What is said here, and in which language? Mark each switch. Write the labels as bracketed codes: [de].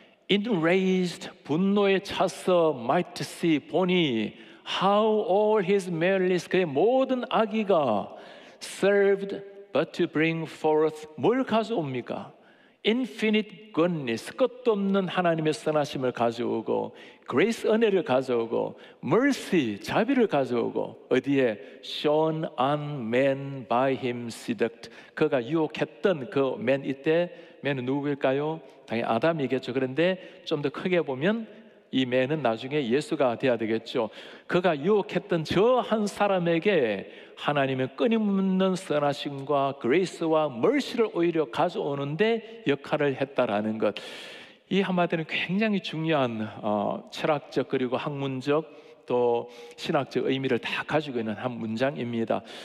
[en] enraged, [ko] 분노에 차서 [en] might see, 보니 how all his malice, [ko] 그의 모든 악의가 [en] served but to bring forth, [ko] 뭘 가져옵니까? [en] Infinite goodness, [ko] 끝도 없는 하나님의 선하심을 가져오고 grace, 은혜를 가져오고 mercy, 자비를 가져오고, 어디에? [en] shown on man by him seduct, [ko] 그가 유혹했던 그 [en] man, [ko] 이때 man은 누구일까요? 당연히 아담이겠죠. 그런데 좀 더 크게 보면 이 man은 나중에 예수가 돼야 되겠죠. 그가 유혹했던 저 한 사람에게 하나님의 끊임없는 선하심과 그레이스와 멀시를 오히려 가져오는데 역할을 했다라는 것, 이 한마디는 굉장히 중요한 철학적 그리고 학문적 또 신학적 의미를 다 가지고 있는 한 문장입니다.